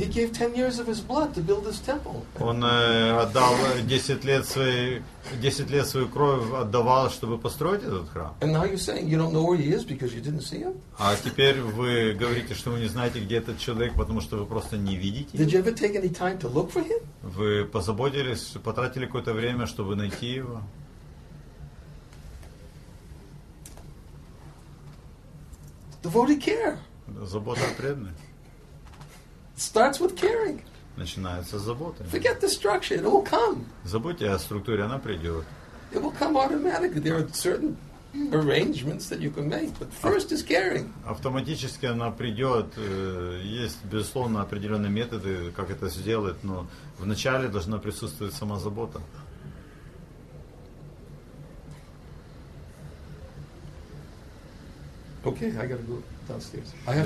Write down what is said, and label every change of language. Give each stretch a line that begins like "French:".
English: He gave 10 years of his blood to build this temple.
Russian: Он отдал 10 лет свою кровь отдавал, чтобы построить этот храм.
English: And now you're saying you don't know where he is because you didn't see him?
Russian: А теперь вы говорите, что вы не знаете, где этот человек, потому что вы просто не видите его.
English: Did you ever take any time to look for him?
Russian: Вы позаботились, потратили какое-то время, чтобы найти его?
English: Devotee care.
Russian: Забота о преданных.
English: Starts with caring.
Russian: Начинается с заботы.
English: Forget the structure, it will come.
Russian: Забудьте о структуре, она придет.
English: It will come automatically. There are certain arrangements that you can make, but first is caring.
Russian: Автоматически она придет. Есть безусловно определенные методы, как это сделать, но вначале должна присутствовать сама забота.
English: Okay, I gotta go downstairs. I have